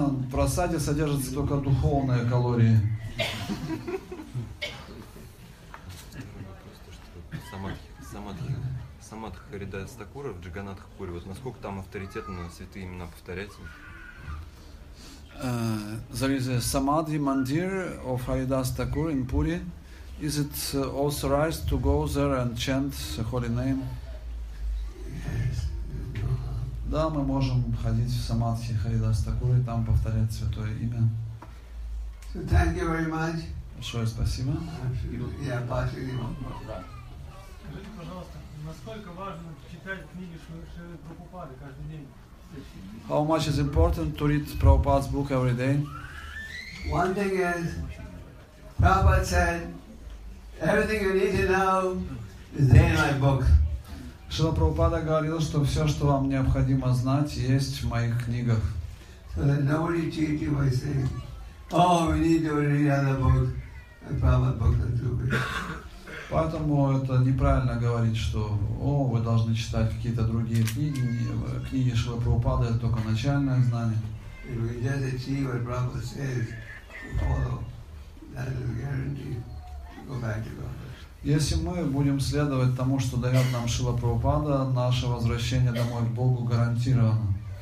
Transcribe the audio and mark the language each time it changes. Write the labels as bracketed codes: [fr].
[ru] Прасаде содержится только духовные калории. Второй вопрос, то, что самадхи Харидаса Такура в Джаганнатх Пури, вот насколько там авторитетно святые имена повторять? [en] There is a Samadhi Mandir of Haridas Thakur in Puri. Is it authorized to go there and chant the holy name? Yes. [ru] Да, мы можем ходить в Самадхи Харидас Такур и там повторять святое имя. [en] So thank you very much. [ru] Большое спасибо. Я пожалуйста, насколько важно читать книги Шри Прабхупады каждый день? [en] How much is important to read Prabhupada's book every day? One thing is, Prabhupada said, everything you need to know is there in my book. [ru] Шрила Прабхупада говорил, что все, что вам необходимо знать, есть в моих книгах. [en] So that nobody cheats you by saying, oh, we need to read other books. And Prabhupada books are too big. [ru] Поэтому это неправильно говорить, что о, вы должны читать какие-то другие книги. Книги Шрилы Прабхупады — это только начальное знание. [en] If we just achieve what Prabhupada says, follow, that is guaranteed to go back to God. [ru] Если мы будем следовать тому, что дает нам Шрила Прабхупада, наше возвращение домой к Богу гарантировано.